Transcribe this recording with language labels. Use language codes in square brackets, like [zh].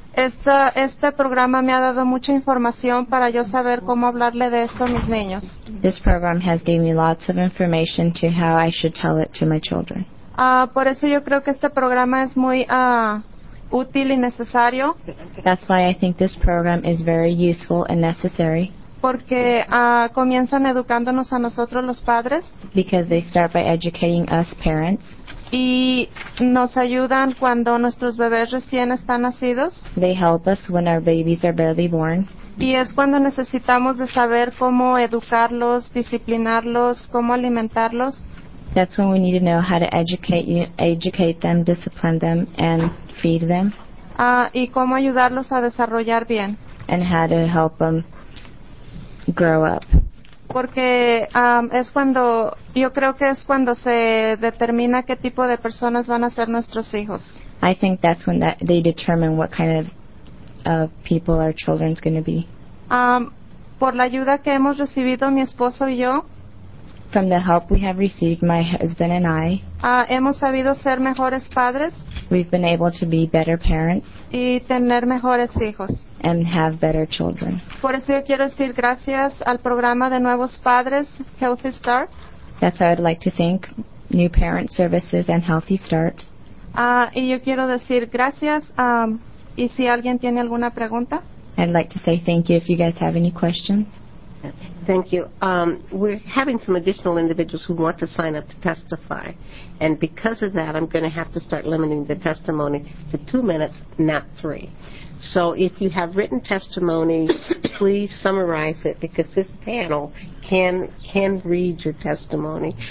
[es] Este programa me ha dado mucha información para yo saber cómo hablarle de esto a mis niños. [en] This program has given me lots of information to how I should tell it to my children. [es] Por eso yo creo que este programa es muy útil y necesario. [en] That's why I think this program is very useful and necessary. [es] Porque comienzan educándonos a nosotros los padres. [en] Because they start by educating us parents. [es] Y nos ayudan cuando nuestros bebés recién están nacidos. [en] They help us when our babies are barely born. [es] Y es cuando necesitamos de saber cómo educarlos, disciplinarlos, cómo alimentarlos. [en] That's when we need to know how to educate them, discipline them, and feed them. [es] Y cómo ayudarlos a desarrollar bien. [en] And how to help them grow up. [es] Porque es cuando, yo creo que es cuando se determina qué tipo de personas van a ser nuestros hijos. [en] I think that's when they determine what kind of people our children's going to be. [es] Por la ayuda que hemos recibido mi esposo y yo. [en] From the help we have received, my husband and I. [es] Hemos sabido ser mejores padres. [en] We've been able to be better parents. [es] Y tener mejores hijos. [en] And have better children. [es] Por eso yo quiero decir gracias al programa de Nuevos Padres, Healthy Start. [en] That's why I'd like to thank New Parent Services and Healthy Start. [es] Y yo quiero decir gracias, y si alguien tiene alguna pregunta. [en] I'd like to say thank you if you guys have any questions. Thank you. We're having some additional individuals who want to sign up to testify. And because of that, I'm going to have to start limiting the testimony to 2 minutes, not three. So if you have written testimony, please summarize it because this panel can read your testimony.